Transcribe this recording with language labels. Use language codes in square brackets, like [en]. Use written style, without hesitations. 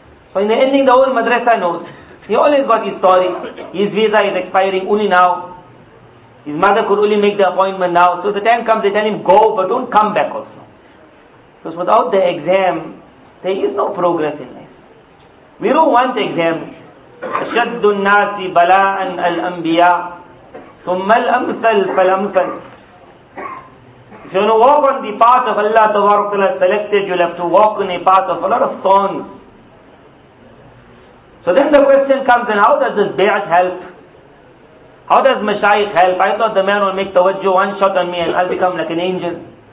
[en] So in the ending, the whole madrasa knows. He always got his story. His visa is expiring only now. His mother could only make the appointment now. So the time comes, they tell him, go, but don't come back also. Because without the exam, there is no progress in life. We don't want exams. [ar] أشد الناس بلاء الأنبياء ثم الأمثل فالأمثل. [en] If you want to walk on the path of Allah تبارك الله selected, you'll have to walk on a path of a lot of thorns. So then the question comes, and how does this bayat help? How does mashayikh help? I thought the man will make tawajjuh one shot on me and I'll become like an angel.